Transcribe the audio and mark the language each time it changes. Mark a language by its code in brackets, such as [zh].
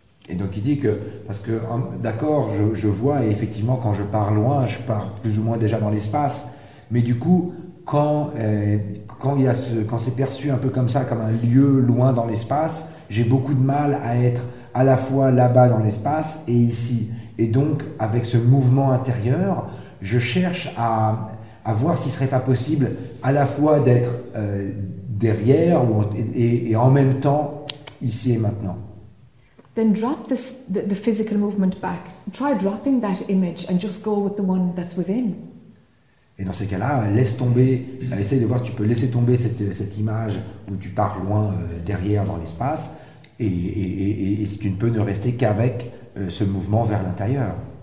[fr] Et donc il dit que, parce que, d'accord, je vois, et effectivement, quand je pars loin, je pars plus ou moins déjà dans l'espace, mais du coup, quand c'est perçu un peu comme ça, comme un lieu loin dans l'espace, j'ai beaucoup de mal à être à la fois là-bas dans l'espace et ici. Et donc, avec ce mouvement intérieur, je cherche à voir s'il ne serait pas possible à la fois d'être derrière et en même temps ici et maintenant. [en] Then drop the physical movement back. Try dropping that image and just go with the one that's within. [fr] Et dans ces cas-là, laisse tomber. Essaye de voir si tu peux laisser tomber cette image où tu pars loin derrière dans l'espace, et si tu ne peux ne rester qu'avec ce mouvement vers l'intérieur.